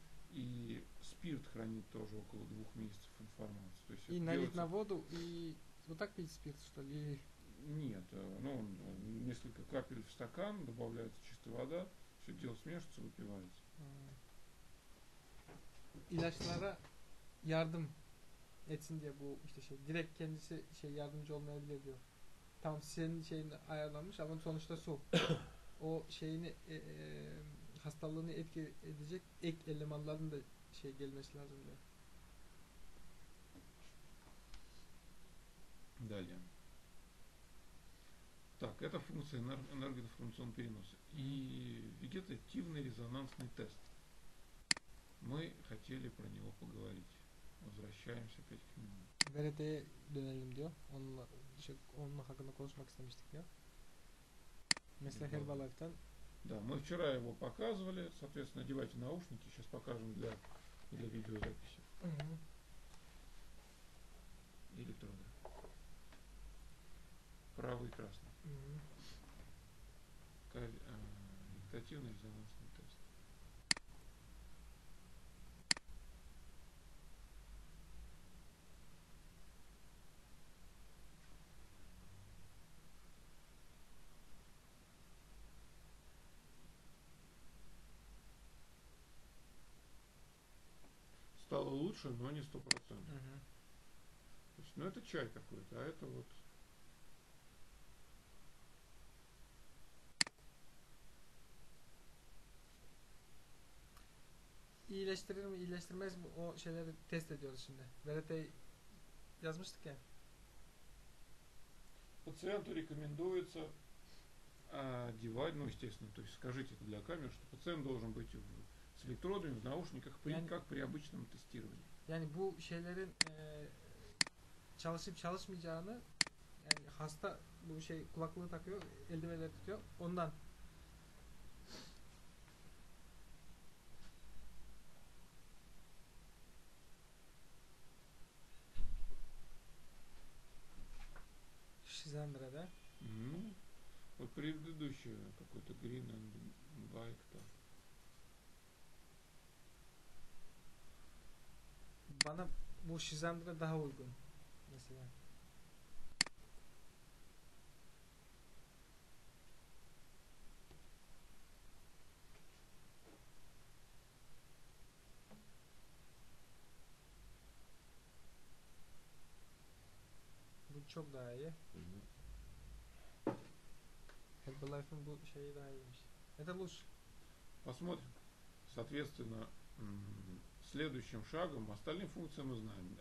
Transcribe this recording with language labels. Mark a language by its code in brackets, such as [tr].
[ru] И спирт хранит тоже около 2 месяцев информацию. То есть и налить делается... на воду и вот так пить спирт, что ли? Нет. Ну, несколько капель в стакан, добавляется чистая вода, все дело смешивается, выпивается. [tr] İlaçlara yardım etsin diye bu işte şey direkt kendisi şey yardımcı olmayı elde ediyor. Tam senin şeyini ayarlanmış ama sonuçta su. O şeyini hastalığını etki edecek ek elemanların da şey gelmesi lazım diyor. [ru] Далее. Так, это функция энергоинформационного переноса. И вегетативный резонансный тест. Мы хотели про него поговорить. Возвращаемся опять к нему. [tr] Вереде дönelim diyor. Onunla hakkında konuşmak istemiştik ya. Mesela Herbalife'ten. [ru] Да, мы вчера его показывали. Соответственно, одевайте наушники. Сейчас покажем для, для видеозаписи. Электроды. Правый и красный. Вегетативный резонанс. Стало лучше, но не 100%. То есть, ну это чай какой-то, а это вот. [tr] İyileştirir mi, iyileştirmez mi o şeyleri test ediyoruz şimdi. Verete yazmıştık ya. [ru] Пациенту рекомендуется одевать, ну естественно, то есть скажите это для камеры, что пациент должен быть в с электродами в наушниках, при, [tr] yani, [ru] как при обычном тестировании. [tr] Yani bu şeylerin çalışıp çalışmayacağını yani hasta bu şey kulaklığı takıyor, eldivenleri tutuyor. Ondan. [ru] Шизандра, да? Вот предыдущий какой-то [en] green and white [ru] там. [tr] Bana bu şizandıra daha uygun mesela. Bu çok daha iyi. Herbalife'ın bu şeyi daha iyiymiş. [ru] Это лучше. Посмотрим. Соответственно, следующим шагом, остальные функции мы знаем.